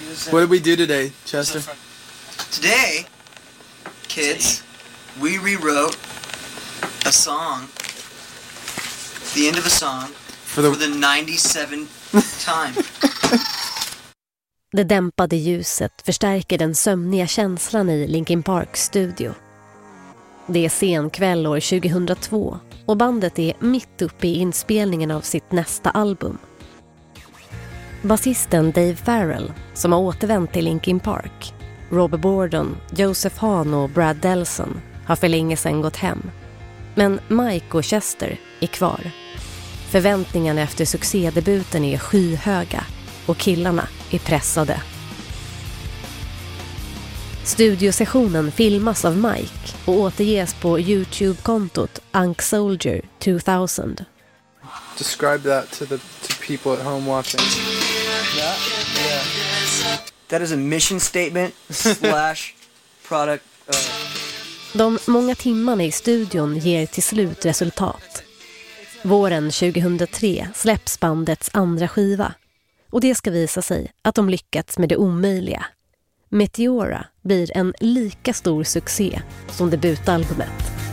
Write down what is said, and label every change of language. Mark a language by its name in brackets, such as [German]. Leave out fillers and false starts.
[English] What did we do today, Chester? Today, kids, we rewrote a song, the end of a song, for the 97th time. [Swedish] Det dämpade ljuset förstärker den sömniga känslan i Linkin Parks studio. Det är sen kväll år 2002 och bandet är mitt uppe i inspelningen av sitt nästa album. Basisten Dave Farrell, som har återvänt till Linkin Park, Rob Borden, Joseph Hahn och Brad Delson har för länge sedan gått hem. Men Mike och Chester är kvar. Förväntningarna efter succédebuten är skyhöga och killarna är pressade. Studiosessionen filmas av Mike och återges på YouTube-kontot UnkSoldier 2000. [English] Describe that to people at home watching. That is a mission statement / product. [Swedish] De många timmarna i studion ger till slut resultat. Våren 2003 släpps bandets andra skiva. Och det ska visa sig att de lyckats med det omöjliga. Meteora blir en lika stor succé som debutalbumet.